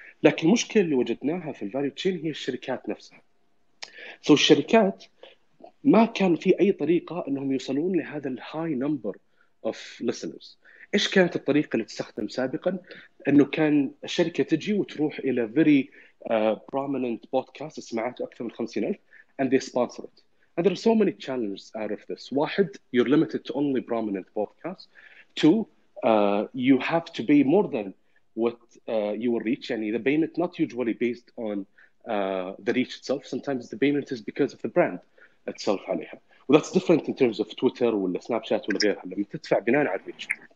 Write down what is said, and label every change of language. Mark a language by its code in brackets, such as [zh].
[ar] لكن المشكلة اللي وجدناها في الفاليو تشين هي الشركات نفسها. So الشركات ما كان في أي طريقة أنهم يوصلون لهذا الهاي نمبر [en] of listeners. [ar] إيش كانت الطريقة اللي تستخدم سابقاً؟ إنه كان الشركة تجي وتروح إلى [en] very prominent podcast [ar] سمعته أكثر من 50,000 [en] and they sponsor it. And there are so many challenges out of this. [ar] واحد، [en] you're limited to only prominent podcasts. Two، you have to pay more than what you will reach. يعني the payment not usually based on the reach itself. Sometimes the payment is because of the brand itself [ar] عليها. و [en] that's different in terms of Twitter [ar] ولا سناب شات ولا غيرها لما تدفع بناء على الريتش.